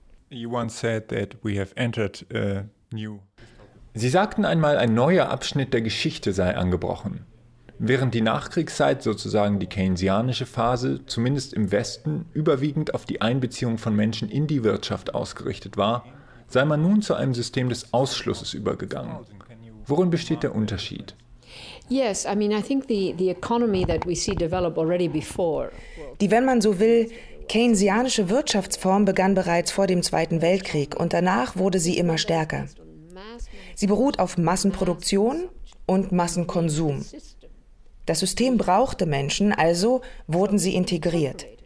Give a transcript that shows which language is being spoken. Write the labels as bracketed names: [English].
[German] Sie sagten einmal, ein neuer Abschnitt der Geschichte sei angebrochen. Während die Nachkriegszeit, sozusagen die keynesianische Phase, zumindest im Westen, überwiegend auf die Einbeziehung von Menschen in die Wirtschaft ausgerichtet war, sei man nun zu einem System des Ausschlusses übergegangen. Worin besteht der Unterschied? [English] Yes, I mean, I think the economy that we see develop already before. [German] Die, wenn man so will, keynesianische Wirtschaftsform begann bereits vor dem Zweiten Weltkrieg und danach wurde sie immer stärker. Sie beruht auf Massenproduktion und Massenkonsum. Das System brauchte Menschen, also wurden sie integriert.